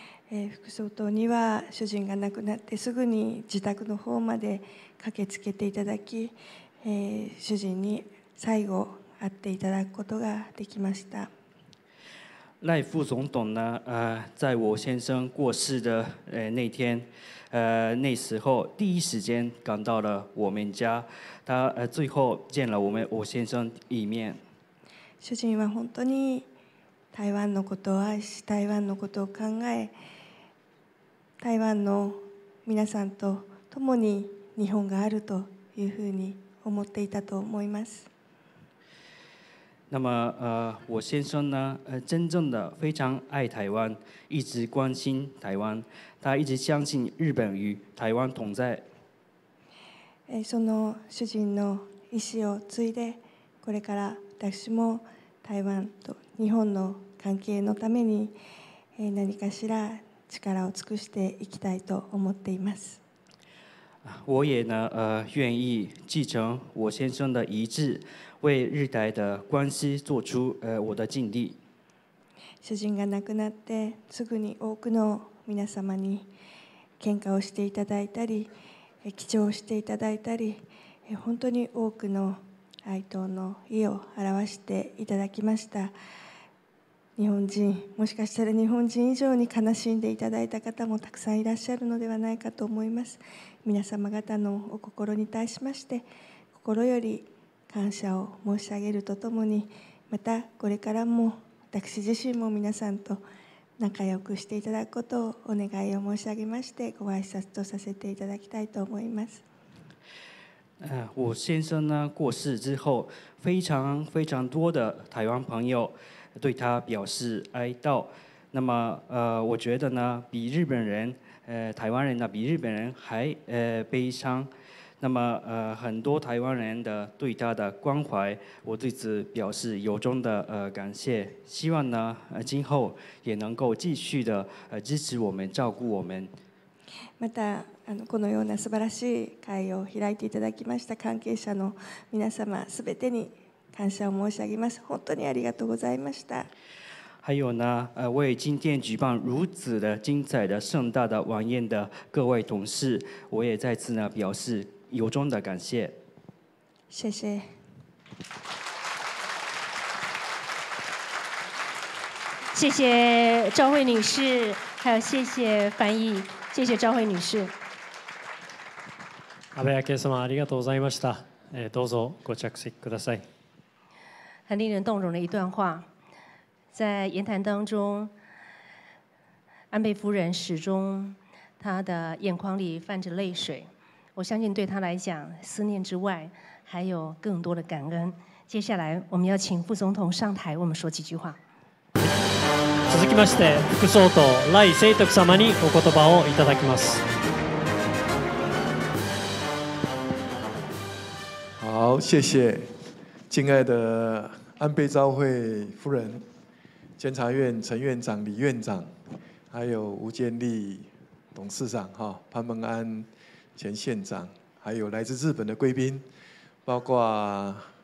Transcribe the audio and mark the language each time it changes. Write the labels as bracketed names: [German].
[Japanese] 副総統には主人が亡くなってすぐに自宅の方まで駆けつけていただき、主人に最後会っていただくことができました。 [Chinese] 赖副总统呢？在我先生过世的那天，那时候第一时间赶到了我们家，他最后见了我先生一面。 [Japanese] 主人は本当に台湾のことを愛し、台湾のことを考え、台湾の皆さんと共に日本があるというふうに思っていたと思います。 [Chinese] 那么我先生呢真正的非常爱台湾，一直关心台湾，他一直相信日本与台湾同在。 [Japanese] その主人の意思を継いで、これから私も台湾と日本の関係のために何かしら力を尽くしていきたいと思っています。 [Chinese] 我也呢愿意继承我先生的遗志，为日台的关系做出我的尽力。 [Japanese] 主人が亡くなってすぐに多くの皆様に献花をしていただいたり、記帳をしていただいたり、本当に多くの哀悼の意を表していただきました。日本人、もしかしたら日本人以上に悲しんでいただいた方もたくさんいらっしゃるのではないかと思います。皆様方のお心に対しまして、心より感謝を申し上げるとともに、またこれからも私自身も皆さんと仲良くしていただくことをお願いを申し上げまして、ご挨拶とさせていただきたいと思います。 [Chinese] 我先生呢过世之后，非常非常多的台湾朋友对他表示哀悼。那么我觉得呢，比日本人台湾人呢比日本人还悲伤。那么很多台湾人的对他的关怀，我对此表示由衷的感谢。希望呢今后也能够继续的支持我们，照顾我们。 [Japanese] またこのような素晴らしい会を開いていただきました関係者の皆様すべてに感謝を申し上げます。本当にありがとうございました。 [Chinese] 还有呢，为今天举办如此的精彩的盛大的晚宴的各位同事，我也再次呢表示由衷的感谢。谢谢。谢谢赵慧女士，还有谢谢翻译，谢谢赵慧女士。 [Japanese] 安倍昭恵様、ありがとうございました。どうぞご着席ください。 [Chinese] 很令人动容的一段话，在言谈当中，安倍夫人始终她的眼眶里泛着泪水。我相信对她来讲，思念之外，还有更多的感恩。接下来，我们要请副总统上台，我们说几句话。 [Japanese] 続きまして、副総統赖清徳様にお言葉をいただきます。 [Chinese] 好，谢谢，敬爱的安倍昭惠夫人、监察院陈院长、李院长，还有吴建立董事长、潘孟安前县长，还有来自日本的贵宾，包括